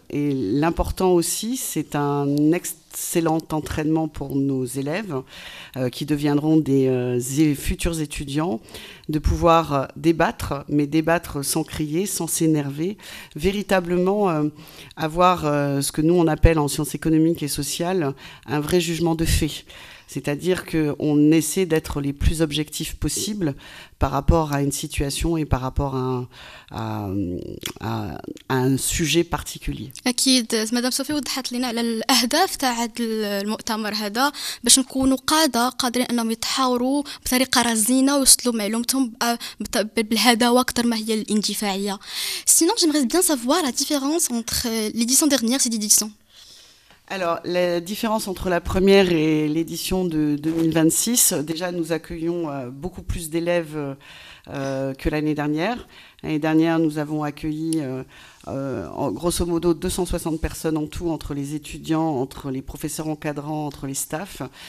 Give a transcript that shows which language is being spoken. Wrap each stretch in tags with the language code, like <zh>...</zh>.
<fr>Et l'important aussi, c'est un excellent entraînement pour nos élèves, qui deviendront des futurs étudiants, de pouvoir débattre, mais débattre sans crier, sans s'énerver, véritablement avoir ce que nous on appelle en sciences économiques et sociales un vrai jugement de fait. C'est-à-dire qu'on essaie d'être les plus objectifs possibles par rapport à une situation et par rapport à un sujet particulier.</fr> <ar>أكيد مدام صوفي وضحت لنا على الأهداف تاع هذا المؤتمر هذا باش نكونوا قادرين أنهم يتحاوروا بطريقة رزينة ويوصلوا معلومتهم بالهدوء أكثر ما هي الاندفاعية.</ar> <fr>Sinon, j'aimerais bien savoir la différence entre l'édition dernière et cette édition. Alors, la différence entre la première et l'édition de 2026, déjà, nous accueillons beaucoup plus d'élèves que l'année dernière. L'année dernière, nous avons accueilli grosso modo 260 personnes en tout, entre les étudiants, entre les professeurs encadrants, entre les staffs.</fr>